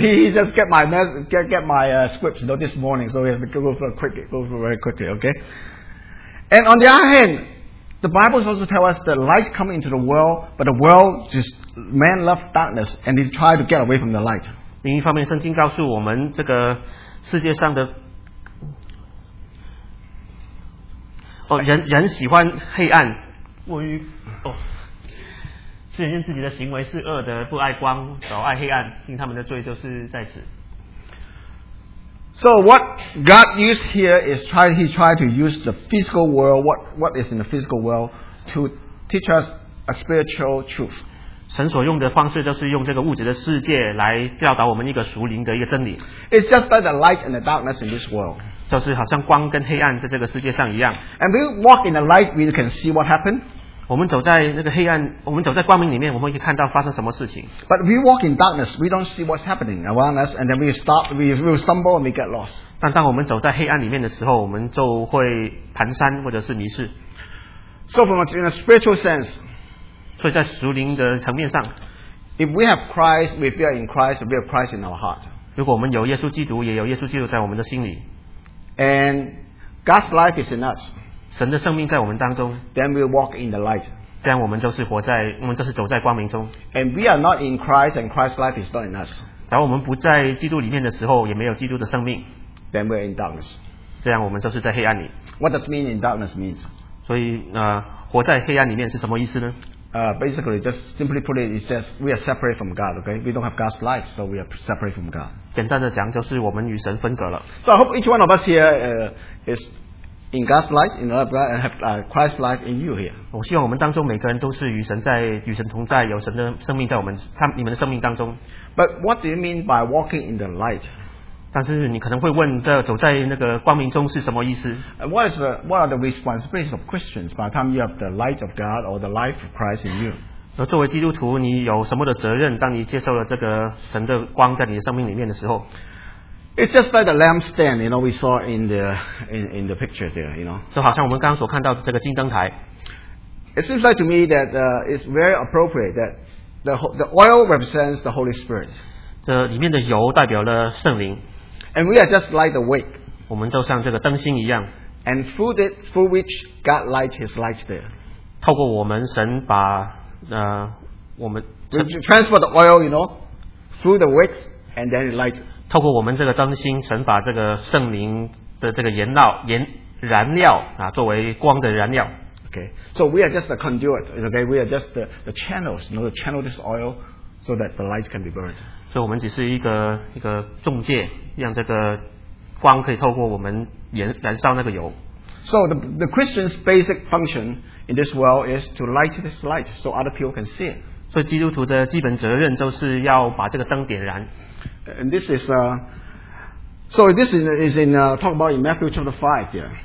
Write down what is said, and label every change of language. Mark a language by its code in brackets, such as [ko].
[en] He just get my scripts, you know, this morning, so he has to go through very quickly, okay? And on the other hand, The Bible also tells us that light comes into the world, but the world just man loves darkness and he tries to get away from the light. [zh] 另一方面，圣经告诉我们，这个世界上的哦，人喜欢黑暗，过于哦，是因为自己的行为是恶的，不爱光，少爱黑暗，因他们的罪就是在此。 [en] So what God used here is he tried to use the physical world, what is in the physical world, to teach us a spiritual truth. [zh] 神所用的方式就是用这个物质的世界来教导我们一个属灵的一个真理。 [en] It's just like the light and the darkness in this world. [zh] 就是好像光跟黑暗在这个世界上一样。 [en] And we walk in the light, we can see what happened. [zh] 我们走在那个黑暗，我们走在光明里面，我们可以看到发生什么事情。 [en] But we walk in darkness, we don't see what's happening around us, and then we stumble and we get lost. [zh] 但当我们走在黑暗里面的时候，我们就会蹒跚或者是迷失。 [en] So from a spiritual sense, [zh] 所以在属灵的层面上 [en] ，if we have Christ, we feel in Christ, we have Christ in our heart. [zh] 如果我们有耶稣基督，也有耶稣基督在我们的心里。 [en] And God's life is in us. [zh] 神的生命在我们当中。 [en] Then we walk in the light. [zh] 这样我们就是活在，我们就是走在光明中。 [en] And we are not in Christ, and Christ's life is not in us. [zh] 假如我们不在基督里面的时候，也没有基督的生命。 [en] Then we are in darkness. [zh] 这样我们就是在黑暗里。 [en] What does mean in darkness means? [zh] 所以活在黑暗里面是什么意思呢？ [en] Basically, just simply put it, it's just we are separate from God, okay? We don't have God's life, so we are separate from God. [zh] 简单的讲，就是我们与神分隔了。 [en] So I hope each one of us here is in God's life, in love of God, and have Christ's life in you here. [zh] 我希望我们当中每个人都是与神在，与神同在，有神的生命在我们，你们的生命当中。 [en] But what do you mean by walking in the light? [zh] 但是你可能会问，这走在那个光明中是什么意思？ [en] What are the responsibilities of Christians by the time you have the light of God or the life of Christ in you? [zh] 而作为基督徒，你有什么的责任？当你接受了这个神的光在你的生命里面的时候 [en] ，It's just like the lampstand, you know, we saw in the picture there, you know. [zh] 就好像我们刚刚所看到的这个金灯台。 [en] It seems like to me that it's very appropriate that the oil represents the Holy Spirit. [zh] 这里面的油代表了圣灵。 [en] And we are just like the wick. [zh] 我们就像这个灯芯一样。 [en] And through which God lights His light there. [zh] 透过我们，神把我们 [en] transfer the oil, you know, through the wick, and then it lights. [zh] 透过我们这个灯芯，神把这个圣灵的这个燃料作为光的燃料。 [en] Okay. So we are just the conduit. Okay. We are just the channels. You know, to channel this oil so that the light can be burned. [zh] 所以我们只是一个中介。让这个光可以透过我们燃烧那个油。 [en] So the Christian's basic function in this world is to light this light so other people can see it. [zh] 所以基督徒的基本责任就是要把这个灯点燃。 [en] And this is talk about in Matthew chapter 5 here.